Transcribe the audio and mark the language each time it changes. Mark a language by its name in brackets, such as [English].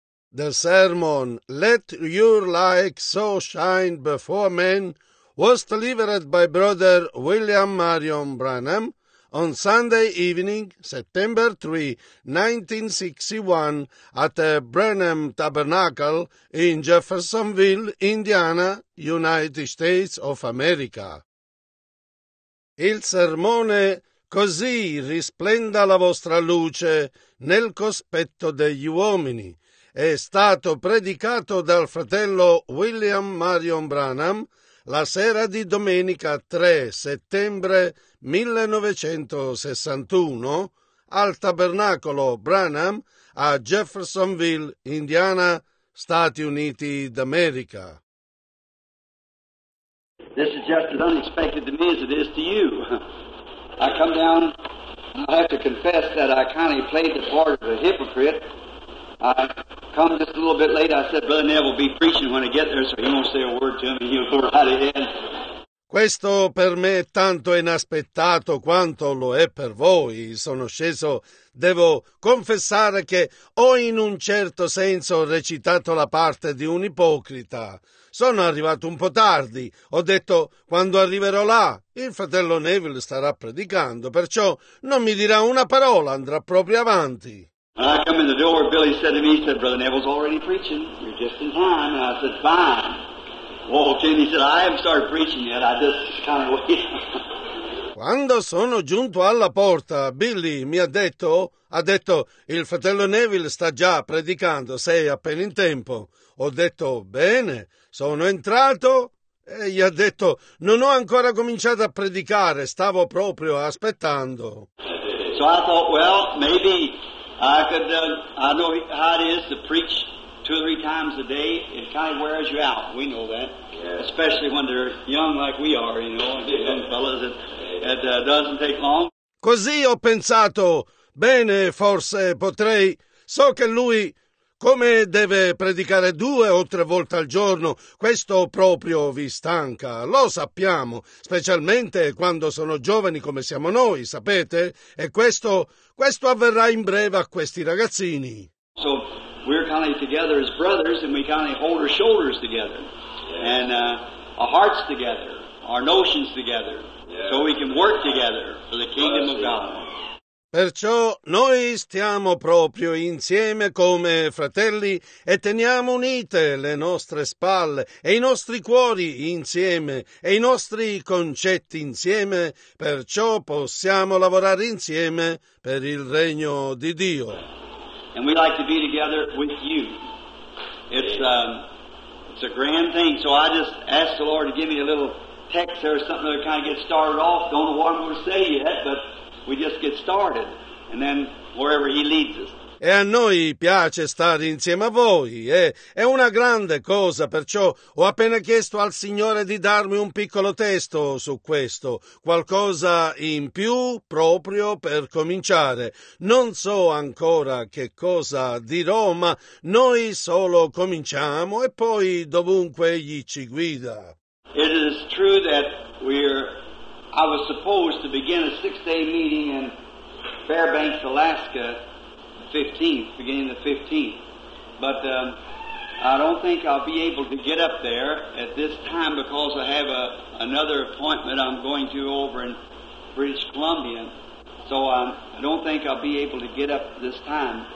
[English] The sermon, "Let Your Light So Shine Before Men," was delivered by Brother William Marion Branham on Sunday evening, September 3, 1961, at the Branham Tabernacle in Jeffersonville, Indiana, United States of America. [Italian] Il sermone, "Così risplenda la vostra luce nel cospetto degli uomini," è stato predicato dal fratello William Marion Branham la sera di domenica 3 settembre 1961 al Tabernacolo Branham a Jeffersonville, Indiana, Stati Uniti d'America. [English] This is just as unexpected to me as it is to you. I come down, I have to confess that I kind of played the part of a hypocrite. I come just a little bit late. I said, Brother Neville will be preaching when I get there, so he won't say a word to me. He'll go right ahead. [Italian] Questo per me è tanto inaspettato quanto lo è per voi. Sono sceso, devo confessare che ho in un certo senso recitato la parte di un ipocrita. Sono arrivato un po' tardi. Ho detto, quando arriverò là, il fratello Neville starà predicando, perciò non mi dirà una parola, andrà proprio avanti. [English] When I come in the door, Billy said to me, he said, Brother Neville's already preaching. You're just in time. And I said, fine. Walked in, he said, I haven't started preaching yet. I just kind of wait. [Italian] Quando sono giunto alla porta, Billy mi ha detto, il fratello Neville sta già predicando, sei appena in tempo. Ho detto, bene, sono entrato, e gli ha detto, non ho ancora cominciato a predicare, stavo proprio aspettando. [English] So I thought, well, maybe I could, I know how it is to preach two or three times a day, it kind of wears you out, we know that. Yeah. Especially when they're young like we are, you know, young fellas, it doesn't take long. [Italian] Così ho pensato, bene, forse potrei, so che lui, come deve predicare due o tre volte al giorno, questo proprio vi stanca, lo sappiamo, specialmente quando sono giovani come siamo noi, sapete? E questo avverrà in breve a questi ragazzini. [English] So, we're kind of together as brothers and we kind of hold our shoulders together and our hearts together, our notions together, so we can work together for the kingdom of God. [Italian] Perciò noi stiamo proprio insieme come fratelli e teniamo unite le nostre spalle e i nostri cuori insieme e i nostri concetti insieme, perciò possiamo lavorare insieme per il regno di Dio. [English] And we like to be together with you. It's a grand thing. So I just asked the Lord to give me a little text or something to kind of get started off. Don't know what I'm going to say yet, but we just get started, and then wherever he leads us. [Italian] E a noi piace stare insieme a voi, è una grande cosa, perciò ho appena chiesto al Signore di darmi un piccolo testo su questo, qualcosa in più proprio per cominciare. Non so ancora che cosa dirò, ma noi solo cominciamo e poi dovunque egli ci guida. [English] It is true that I was supposed to begin a 6-day meeting in Fairbanks, Alaska, 15th, beginning the 15th, but I don't think I'll be able to get up there at this time because I have another appointment I'm going to over in British Columbia, so I don't think I'll be able to get up this time.